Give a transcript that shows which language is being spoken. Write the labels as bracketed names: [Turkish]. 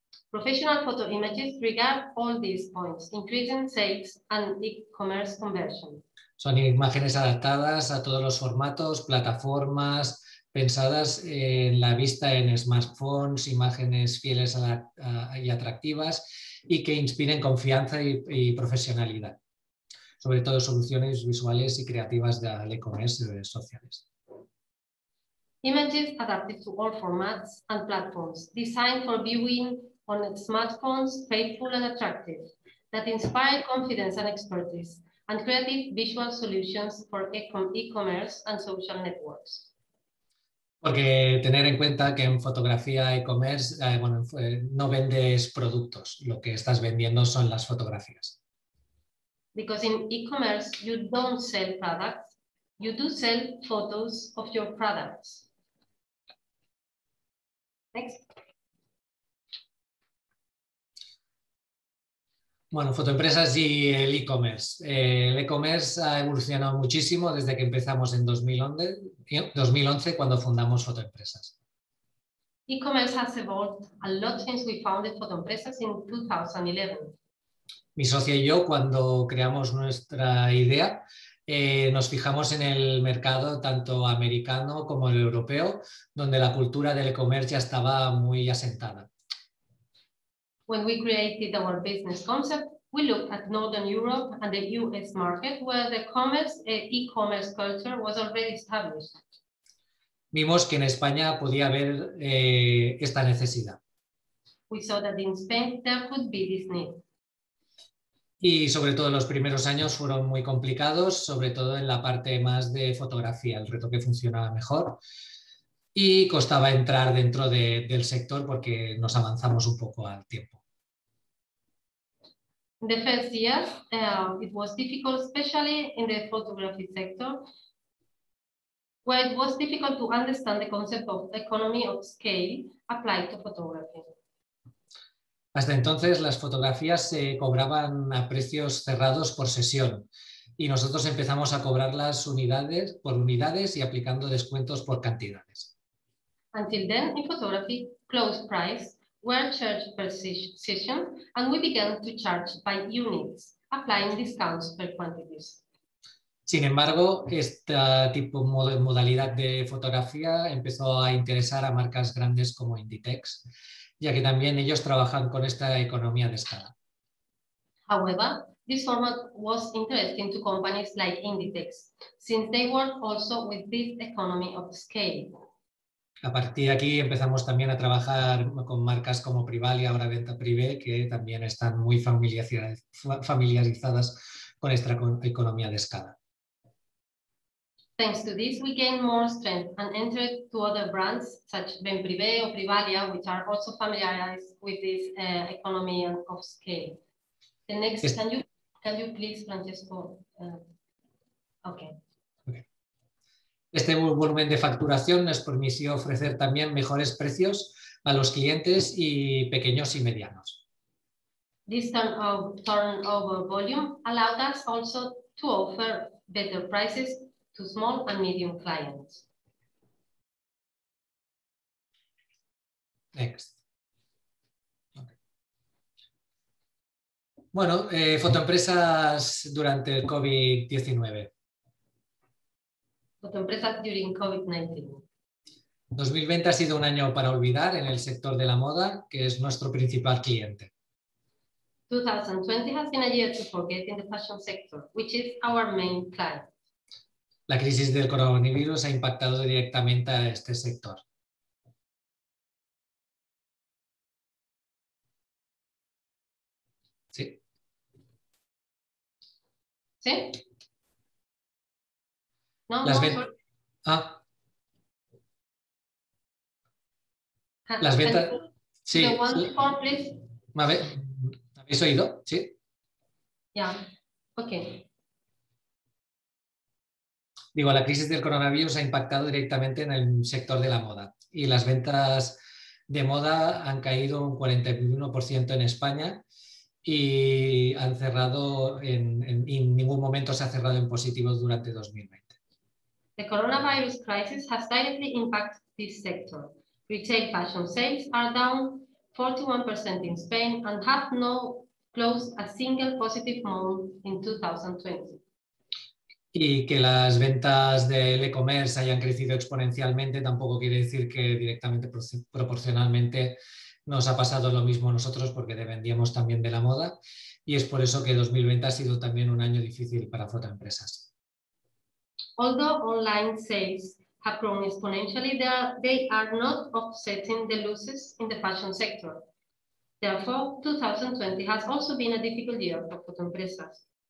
[English] Professional photo images regard all these points, increasing sales and e-commerce conversion. [Spanish] Son imágenes adaptadas a todos los formatos, plataformas, pensadas en la vista en smartphones, imágenes fieles y atractivas y que inspiren confianza y profesionalidad. Sobre todo soluciones visuales y creativas de e-commerce y redes sociales. [English] Images adapted to all formats and platforms, designed for viewing on smartphones, faithful and attractive. that inspire confidence and expertise and creative visual solutions for e-commerce and social networks. [Spanish] Porque tener en cuenta que en fotografía e-commerce no vendes productos, lo que estás vendiendo son las fotografías. [English] Because in e-commerce you don't sell products, you do sell photos of your products. Next. [Spanish] Bueno, fotoempresas y el e-commerce. El e-commerce ha evolucionado muchísimo desde que empezamos en 2011, cuando fundamos fotoempresas. [English] E-commerce has evolved a lot since we founded fotoempresas in 2011. [Spanish] Mi socio y yo, cuando creamos nuestra idea, nos fijamos en el mercado tanto americano como el europeo, donde la cultura del e-commerce ya estaba muy asentada. [English] When we created our business concept, we looked at Northern Europe and the US market, where the e-commerce culture was already established. [Spanish] Vimos que en España podía haber esta necesidad. [English] We saw that in Spain there could be this need. [Spanish] Y sobre todo los primeros años fueron muy complicados, sobre todo en la parte más de fotografía, el reto que funcionaba mejor. Y costaba entrar dentro del sector porque nos avanzamos un poco al tiempo. [English] The first years, it was difficult, especially in the photography sector, where it was difficult to understand the concept of economy of scale applied to photography. [Spanish] Hasta entonces las fotografías se cobraban a precios cerrados por sesión y nosotros empezamos a cobrarlas unidades por unidades y aplicando descuentos por cantidades. [English] Until then, in photography, closed price were charged per session and we began to charge by units, applying discounts per quantities. [Spanish] Sin embargo, este tipo de modalidad de fotografía empezó a interesar a marcas grandes como Inditex, ya que también ellos trabajan con esta economía de escala. [English] However, this format was interesting to companies like Inditex, since they work also with this economy of scale. [Spanish] A partir de aquí empezamos también a trabajar con marcas como Privalia, ahora Venta Privé, que también están muy familiarizadas con esta economía de escala. [English] Thanks to this, we gained more strength and entered to other brands such as Benprivé or Privalia, which are also familiarized with this economy of scale. The next, can you please, Francesco? Okay. [Spanish] Este volumen de facturación nos permitió ofrecer también mejores precios a los clientes y pequeños y medianos. [English] This turnover volume allowed us also to offer better prices to small and medium clients. Next. Okay. [Spanish] Bueno, fotoempresas durante el COVID-19. [English] Fotoempresas during COVID-19. [Spanish] 2020 ha sido un año para olvidar en el sector de la moda, que es nuestro principal cliente. [English] 2020 has been a year to forget in the fashion sector, which is our main client. [Spanish] La crisis del coronavirus ha impactado directamente a este sector. ¿Sí? ¿Sí? No, Las ventas... Sí. ¿Me habéis oído? Sí. Ya. Yeah. Ok. Digo, la crisis del coronavirus ha impactado directamente en el sector de la moda y las ventas de moda han caído un 41% en España y han cerrado en ningún momento se ha cerrado en positivo durante 2020. [English] The coronavirus crisis has directly impacted this sector. Retail fashion sales are down 41% in Spain and have no closed a single positive month in 2020. [Spanish] Y que las ventas del e-commerce hayan crecido exponencialmente tampoco quiere decir que directamente proporcionalmente nos ha pasado lo mismo a nosotros porque dependíamos también de la moda y es por eso que 2020 ha sido también un año difícil para fotoempresas. [English] Although online sales have grown exponentially, they are not offsetting the losses in the fashion sector. Therefore, 2020 has also been a difficult year for fotoempresas.